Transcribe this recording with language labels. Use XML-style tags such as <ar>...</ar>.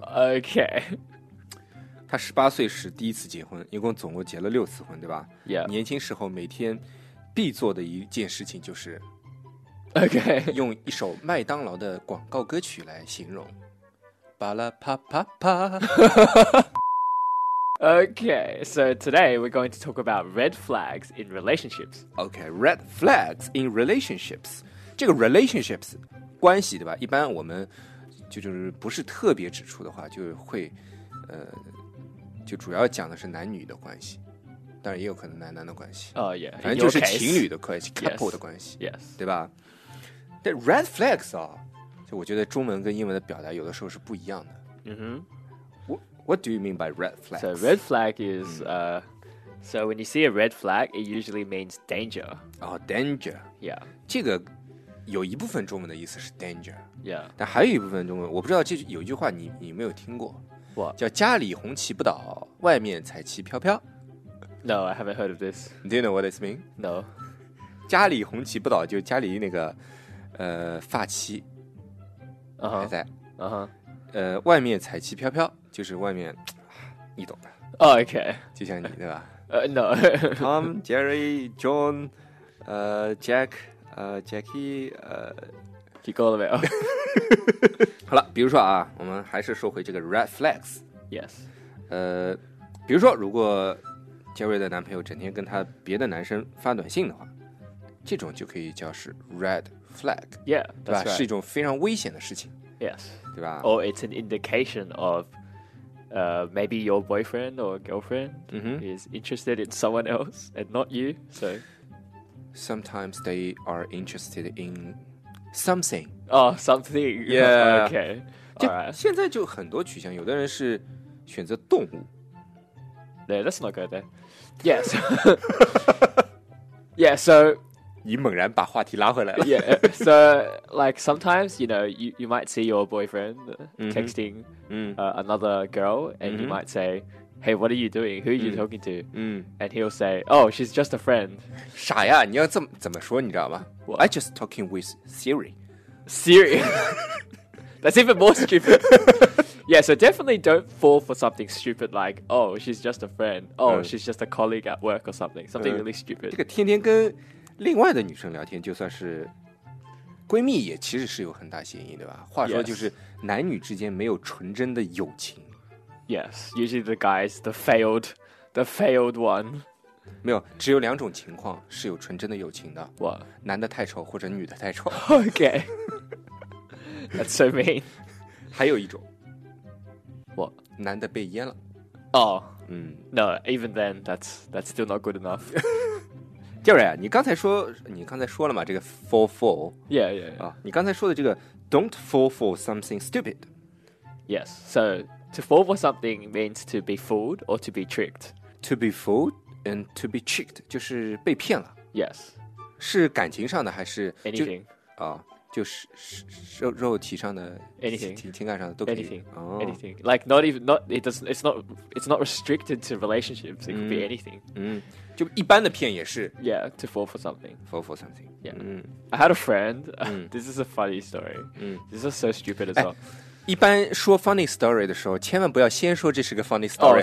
<en>Okay。</en> <zh>他18岁时第一次结婚，一共总共结了6次婚，对吧</zh> <en>？Yeah。</en> <zh>年轻时候每天必做的一件事情就是</zh> <en>，Okay，</en> <zh>用一首麦当劳的广告歌曲来形容。 Ba-la-pa-pa-pa.</zh> <en>Okay, so today we're going to talk about red flags in relationships. Okay, red flags in relationships.</en> <zh>这个 relationships, 关系对吧？一般我们就是不是特别指出的话，就会就主要讲的是男女的关系，当然也有可能男男的关系。</zh> <en>Oh, yeah.</en> <zh>反正就是情侣的关系</zh> <en>，couple</en> <zh>的关系</zh> <en>，yes，</en> <zh>对吧？但 red flags 啊。我觉得中文跟英文的表达有的时候是不一样的。 Mm-hmm.</zh> <en>What do you mean by red flag? So red flag is, so when you see a red flag, it usually means danger. Oh, danger. Yeah.</en> <zh>这个有一部分中文的意思是 danger.</zh> <en>Yeah.</en> <zh>但还有一部分中文，我不知道这有一句话你没有听过。</zh> <en>What?</en> <zh>叫家里红旗不倒，外面彩旗飘飘。</zh> <en>No, I haven't heard of this. Do you know what this means? No.</en> <zh>家里红旗不倒，就家里那个发旗。还在，外面彩旗飘飘，就是外面，你懂的。</zh> <en>Oh, okay，</en> <zh>就像你对吧？</zh> <en>No， Tom， Jerry， John， Jack， Jackie， You got it well。</en> <zh>好了，比如说啊，我们还是说回这个 red flags。</zh> <en>Yes。</en> <zh>比如说，如果 Jerry 的男朋友整天跟他别的男生发短信的话，这种就可以叫是 red。</zh> <en>Flag, yeah,</en> <zh>对吧？</zh> <en>Right.</en> <zh>是一种非常危险的事情。</zh> <en>Yes,</en> <zh>对吧？</zh> <en>Or it's an indication of, maybe your boyfriend or girlfriend、 mm-hmm. is interested in someone else and not you. So sometimes they are interested in something. Oh, something. Yeah. Okay. All right.</en> <zh>现在就很多取向，有的人是选择动物。</zh> <en>No, let's not go there. Yes. yeah. So.</en> <zh>你猛然把话题拉回来了。</zh> <en>Yeah, so like sometimes you know you might see your boyfriend texting、another girl and、you might say, "Hey, what are you doing? Who are you talking to?"、and he'll say, "Oh, she's just a friend."</en> <zh>傻呀，你要怎么说你知道吗</zh> <en>？What? I just talking with Siri. Siri. That's even more stupid. Yeah, so definitely don't fall for something stupid like, "Oh, she's just a friend." Oh,、she's just a colleague at work or something. Something really stupid.</en> <zh>这个天天跟另外的女生聊天，就算是闺蜜，也其实是有很大嫌疑，对吧？话说就是男女之间没有纯真的友情。</zh> <en>Yes, usually the guys, the failed one.</en> <zh>没有，只有两种情况是有纯真的友情的。哇，男的太丑或者女的太丑。</zh> <en>Okay, that's so mean.</en> <zh>还有一种，哇，男的被淹了。</zh> <en>Oh, No, even then, that's still not good enough.</en> <zh>Jerry, 你刚才说了嘛，这个 fall for,</zh> <en>yeah.</en> <zh>你刚才说的这个</zh> <en>don't fall for something stupid. Yes, so to fall for something means to be fooled or to be tricked. To be fooled and to be tricked</en> <zh>就是被骗了。</zh> <en>Yes,</en> <zh>是感情上的还是</zh> <en>anything?</en> <zh>就是肉体上的</zh> <en>anything</en> <zh>情感上的都可以</zh> <en>anything、oh. anything like not even not it doesn't it's not it's not restricted to relationships it could be anything</en> <zh>嗯就一般的骗也是</zh> <en>yeah to fall for something fall for something yeah、嗯、I had a friend、嗯、this is a funny story、嗯、this is so stupid as well、</en> <zh>哎、一般说 funny story 的时候千万不要先说这是个 funny story、</zh>